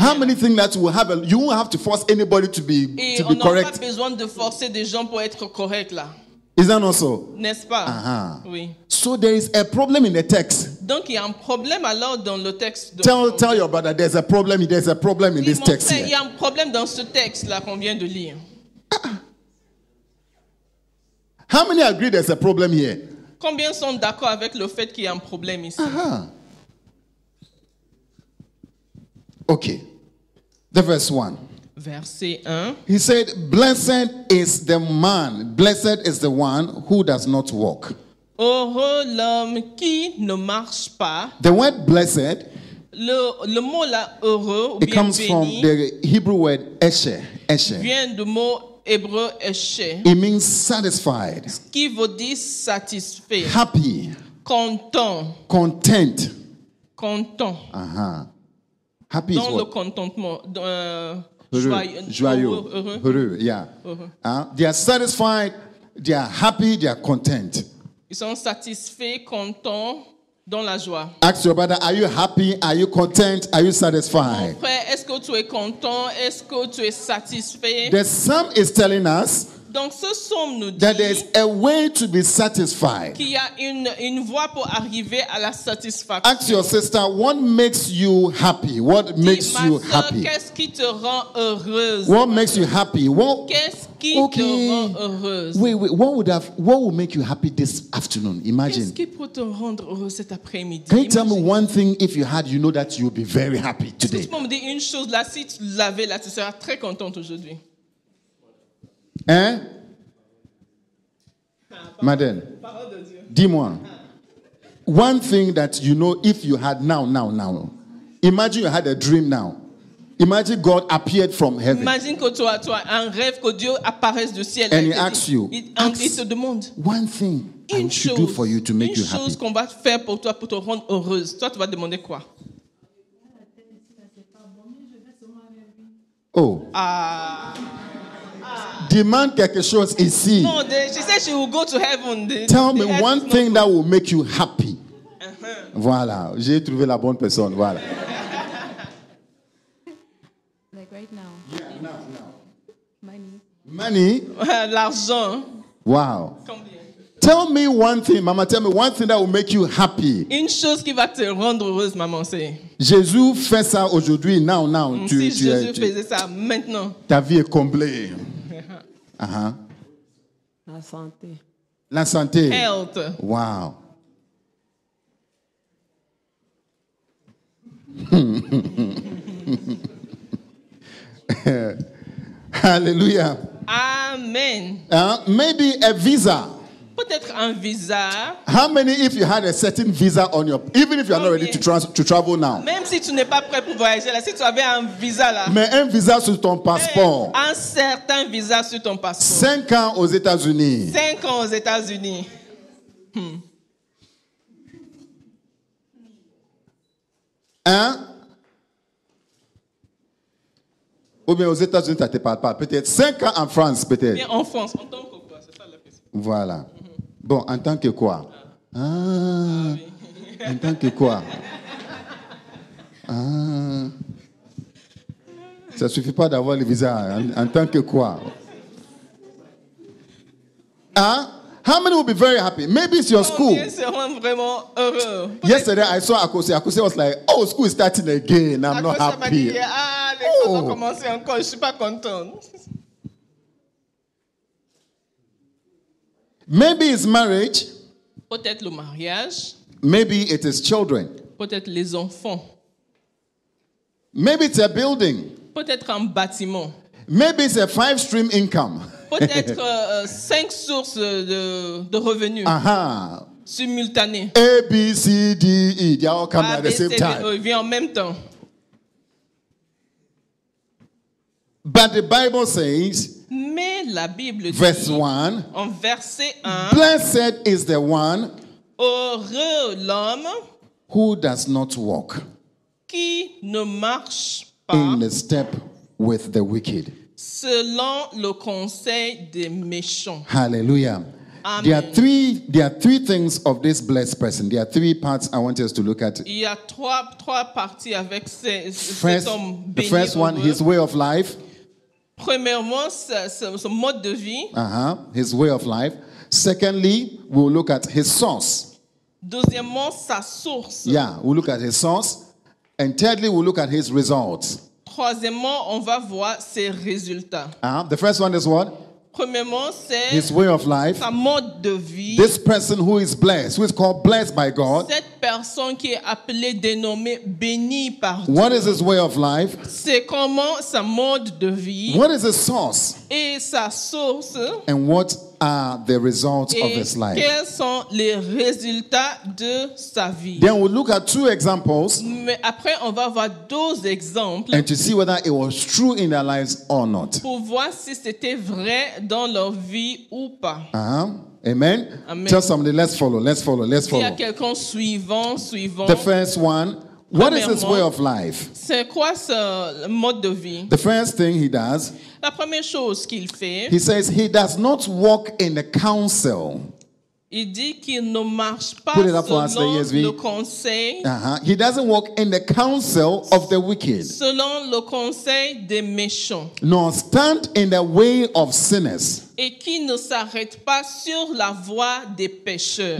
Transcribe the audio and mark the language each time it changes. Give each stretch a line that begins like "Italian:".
English: How many things that will happen? You won't have to force anybody to be
French: et
English: to be correct.
French: Et on n'a pas besoin de forcer des gens pour être corrects là.
English: Is that not so?
French: N'est-ce pas? Uh-huh. Oui.
English: So there is a problem in the text.
French: Donc il y a un problème alors dans le texte.
English: De tell your brother there's a problem. There's a problem in this text here.
French: Il y a un problème dans ce texte là qu'on vient de lire.
English: How many agree there's a problem here?
French: Combien sont d'accord avec le fait qu'il y a un problème ici? Uh-huh.
English: Okay. The verse 1.
French: Verset 1.
English: He said, blessed is the man, blessed is the one who does not walk.
French: Heureux l'homme qui ne marche pas.
English: The word blessed,
French: le mot là, heureux,
English: it comes
French: béni,
English: from the Hebrew word esher, esher.
French: Vient du mot hébreu esher.
English: It means satisfied.
French: Ce qui veut dire satisfait.
English: Happy. Content.
French: Content. Content.
English: Uh-huh. Happy
French: dans
English: is what?
French: Le contentement. Joyeux. Heureux. Yeah. Uh-huh.
English: They are satisfied, they are happy, they are content.
French: Ils sont satisfaits, contents, dans la joie.
English: Ask your brother, are you happy? Are you content? Are you satisfied?
French: Mon frère, est-ce que tu es content? Est-ce que tu es satisfait?
English: The psalm is telling us
French: donc ce psaume nous dit
English: that there is a way to be satisfied.
French: Qu'il y a une voie pour arriver à la satisfaction.
English: Ask your sister, what makes you happy? What
French: dis
English: makes
French: ma soeur,
English: you happy?
French: Qu'est-ce qui te rend heureuse?
English: What makes you happy? What,
French: qu'est-ce qui okay. te rend heureuse?
English: Wait, what would make you happy this afternoon? Imagine.
French: Qu'est-ce qui pourrait te rendre heureuse cet après-midi?
English: Can you tell me one thing if you had, you know that you'll be very happy today.
French: Est-ce que tu peux me dire une chose là, si tu l'avais là, tu seras très contente aujourd'hui. Hein? Ah, Madame, dis-moi.
English: One thing that you know if you had now. Imagine you had a dream now. Imagine God appeared from heaven.
French: Imagine que toi, un rêve que Dieu apparaisse du ciel.
English: And he asks you.
French: Il te demande.
English: One thing I should do for you to make you happy.
French: Une chose qu'on va faire pour toi pour te rendre heureuse. Toi, tu vas demander quoi? Oh. Demand quelque chose ici.
English: No, she said she will go to heaven. Tell me one thing that will make you happy. Uh-huh.
French: Voilà, j'ai trouvé la bonne personne. Voilà.
English: Like right now. Yeah, now. Money.
French: L'argent. Wow. Combien?
English: Tell me one thing, mama. Tell me one thing that will make you happy.
French: Une chose qui va te rendre heureuse, maman, c'est. Jésus fait ça aujourd'hui.
English: Now.
French: Si Jésus faisait ça maintenant. Ta vie est comblée. Uh-huh. La santé. La santé.
English: Health. Wow. Hallelujah. Amen. Maybe a visa.
French: Peut-être un visa.
English: How many if you had a certain visa on your even if you are not ready to travel now?
French: Même si tu n'es pas prêt pour voyager là, si tu avais un visa là. Mais un visa sur ton passeport. Hey, un certain visa sur ton passeport. 5 ans aux États-Unis. 5 ans aux États-Unis. Hein? Ou bien aux États-Unis, ça te parle pas. Peut-être 5 ans en France, peut-être. Mais en France, en tant que quoi, c'est ça la question. Voilà. Bon, en tant que quoi? Ah, oui. En tant que quoi? Ah. Ça ne suffit pas d'avoir le visa en tant que quoi. Hein?
English: How many will be very happy? Maybe it's your school. Yesterday I saw Akosi. Akosi was like, oh, school is starting again. I'm not happy.
French: Dit, ah, les cours ont commencé encore. Je ne suis pas contente.
English: Maybe it's marriage.
French: Peut-être le mariage.
English: Maybe it is children.
French: Peut-être les enfants.
English: Maybe it's a building.
French: Peut-être un bâtiment.
English: Maybe it's a five-stream income.
French: Peut-être cinq sources de revenus. Simultanées.
English: A, B, C, D, E. They all come at the same time.
French: Ils viennent en même temps.
English: But the Bible says,
French: mais la Bible dit,
English: verse 1,
French: en verset 1,
English: blessed is the one,
French: heureux l'homme,
English: who does not walk,
French: qui ne marche pas,
English: in the step with the wicked,
French: selon le conseil des méchants.
English: Hallelujah. Amen. There are three things of this blessed person. There are three parts I want us to look at.
French: Il y a trois parties avec cet homme béni.
English: The first one, his way of life.
French: Premièrement, son mode de vie.
English: Uh-huh. His way of life. Secondly, we'll look at his source.
French: Deuxièmement, sa source.
English: Yeah, we'll look at his source. And thirdly, we'll look at his results.
French: Troisièmement, on va voir ses résultats.
English: Uh-huh. The first one is what?
French: Premièrement, c'est
English: his way of life.
French: Sa mode de vie.
English: This person who is blessed, who is called blessed by God.
French: Cette personne qui est appelée, dénommée, bénie par Dieu.
English: What is his way of life?
French: C'est comment sa mode de vie.
English: What is his source?
French: Et sa source.
English: And what are the results of his life?
French: Quels sont les résultats de sa vie?
English: Then we'll look at two examples.
French: Mais après, on va voir deux exemples.
English: And to see whether it was true in their lives or not.
French: Pour voir si c'était vrai dans leur vie ou pas.
English: Uh-huh. Amen. Amen. Tell somebody, let's follow.
French: Il y a quelqu'un suivant.
English: The first one. What is his way of life?
French: C'est quoi ce mode de vie?
English: The first thing he does.
French: La première chose qu'il fait.
English: He says he does not walk in the counsel.
French: Il dit qu'il ne marche pas selon le conseil. Uh-huh.
English: He doesn't walk in the counsel of the wicked.
French: Selon le conseil des méchants.
English: Nor stand in the way of sinners.
French: Et qui ne s'arrête pas sur la voie des pécheurs.